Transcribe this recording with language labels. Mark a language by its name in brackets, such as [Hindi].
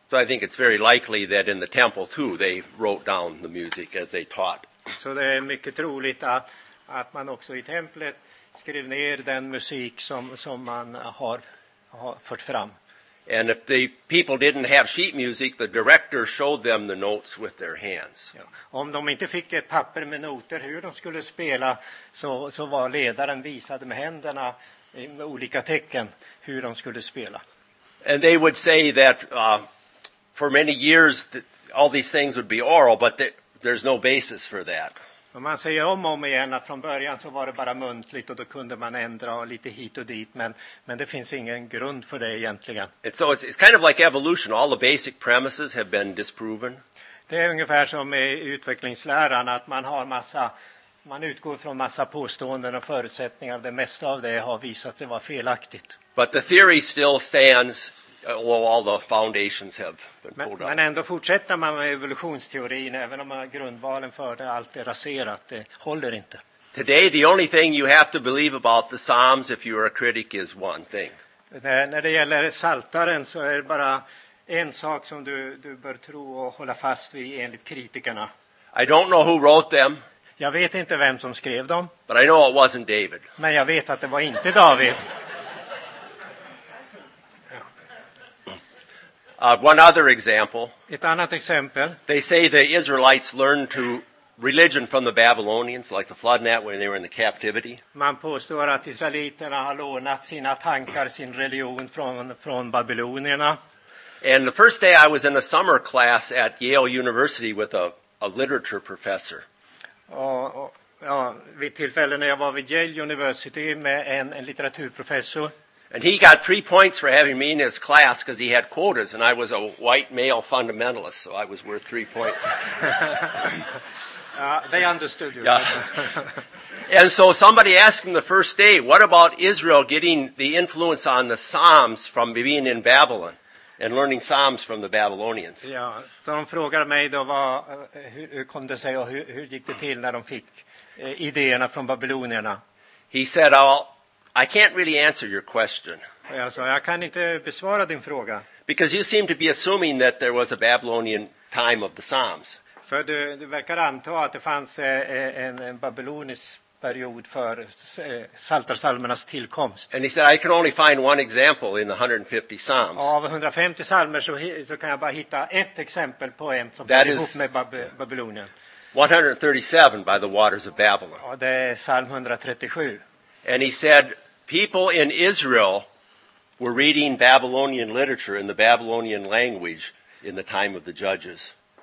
[English] So I think it's very likely that in the temple too they wrote down the music as they taught. [Swedish] Så det är mycket troligt att man också i templet skrev ner den musik som man har fört fram. [English] And if the people didn't have sheet music, the director showed them the notes with their hands. [Swedish] Ja. Om de inte fick ett papper med noter hur de skulle spela så var ledaren visade med händerna med olika tecken hur de skulle spela. [English] And they would say that for many years that all these things would be oral, but there's no basis for that. [Swedish] Och man säger om igen att från början så var det bara muntligt och då kunde man ändra lite hit och dit, men det finns ingen grund för det egentligen. [English] And so it's kind of like evolution. All the basic premises have been disproven. [Swedish] Det är ungefär som med utvecklingsläran att man utgår från massa påståenden och förutsättningar. Det mesta av det har visat sig vara felaktigt. [English] But the theory still stands, although all the foundations have been pulled up. [Swedish] Men ändå fortsätter man med evolutionsteorin, även om grundvalen för det allt är raserat. Det håller inte. [English] Today, the only thing you have to believe about the Psalms, if you are a critic, is one thing. [Swedish] När det gäller Saltaren så är det bara en sak som du bör tro och hålla fast vid enligt kritikerna. [English] I don't know who wrote them. [Swedish] Jag vet inte vem som skrev dem. [English] But I know it wasn't David. [Swedish] Men jag vet att det var inte David. [English] One other example. [Swedish] Ett annat exempel. [English] They say the Israelites learned to religion from the Babylonians, like the flood net when they were in the captivity. [Swedish] Man påstår att israeliterna har lånat sina tankar, sin religion från babylonierna. [English] And the first day I was in a summer class at Yale University with a literature professor. [Swedish] Ja, vid tillfällen när jag var vid Yale University med en litteraturprofessor. [English] And he got 3 points for having me in his class because he had quotas and I was a white male fundamentalist, so I was worth 3 points. They understood you. Yeah. And so somebody asked him the first day, what about Israel getting the influence on the Psalms from being in Babylon? And learning psalms from the Babylonians. [Swedish] Ja, så de frågade mig då hur kom det sig och hur gick det till när de fick idéerna från babylonierna. [English] He said, I can't really answer your question. [Swedish] Ja, så jag kan inte besvara din fråga. [English] Because you seem to be assuming that there was a Babylonian time of the psalms. [Swedish] För du verkar anta att det fanns en babylonisk period för saltarsalmernas tillkomst. [English] And he said, I can only find one example in the 150 psalms. [Swedish] Av 150 psalmer så kan jag bara hitta ett exempel på en som hör ihop med Babylonien. [English] 137 by the waters of Babylon. [Swedish] Och det är psalm 137. [English] And he said, people in Israel were reading Babylonian literature in the Babylonian language in the time of the judges.